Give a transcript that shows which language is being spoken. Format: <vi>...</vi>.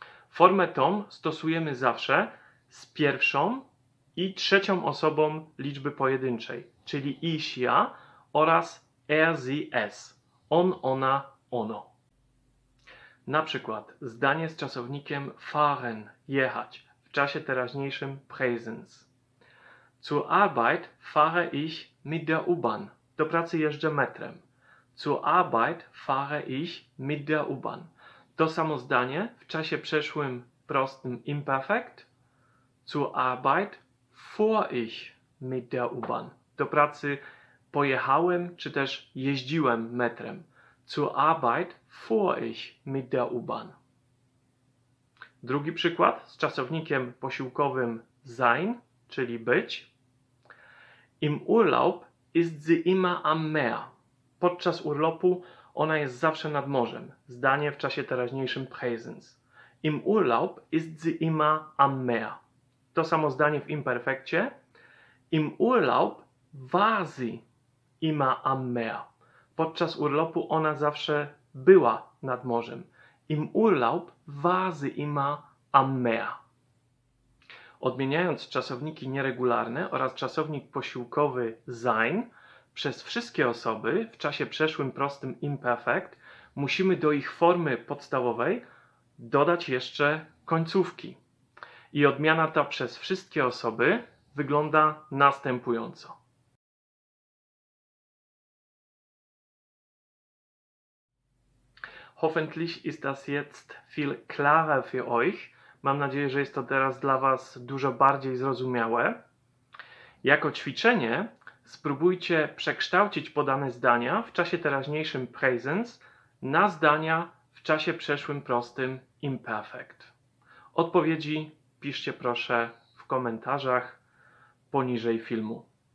<pl>Formę tą stosujemy zawsze z pierwszą i trzecią osobą liczby pojedynczej, czyli ich, ja oraz er, sie, es. On, ona, ono. Na przykład zdanie z czasownikiem fahren, jechać, w czasie teraźniejszym präsens.</pl> <de>Zur Arbeit fahre ich mit der U-Bahn.</de> <pl>Do pracy jeżdżę metrem.</pl> <de>Zur Arbeit fahre ich mit der U-Bahn.</de> <pl>To samo zdanie w czasie przeszłym prostym imperfekt.</pl> <de>Zur Arbeit fuhr ich mit der U-Bahn.</de> <pl>Do pracy pojechałem czy też jeździłem metrem.</pl> <de>Zur Arbeit fuhr ich mit der U-Bahn.</de> <pl>Drugi przykład z czasownikiem posiłkowym sein, czyli być.</pl> <de>Im Urlaub ist sie immer am Meer.</de> <pl>Podczas urlopu ona jest zawsze nad morzem. Zdanie w czasie teraźniejszym präsens.</pl> <de>Im Urlaub ist sie immer am Meer.</de> <pl>To samo zdanie w imperfekcie.</pl> <de>Im Urlaub war sie immer am Meer.</de> <pl>Podczas urlopu ona zawsze była nad morzem.</pl> <de>Im Urlaub war sie immer am Meer.</de> <pl>Odmieniając czasowniki nieregularne oraz czasownik posiłkowy sein przez wszystkie osoby w czasie przeszłym prostym imperfekt, musimy do ich formy podstawowej dodać jeszcze końcówki. I odmiana ta przez wszystkie osoby wygląda następująco.</pl> <de>Hoffentlich ist das jetzt viel klarer für euch.</de> <pl>Mam nadzieję, że jest to teraz dla Was dużo bardziej zrozumiałe. Jako ćwiczenie spróbujcie przekształcić podane zdania w czasie teraźniejszym präsens na zdania w czasie przeszłym prostym imperfekt. Odpowiedzi piszcie proszę w komentarzach poniżej filmu.</pl>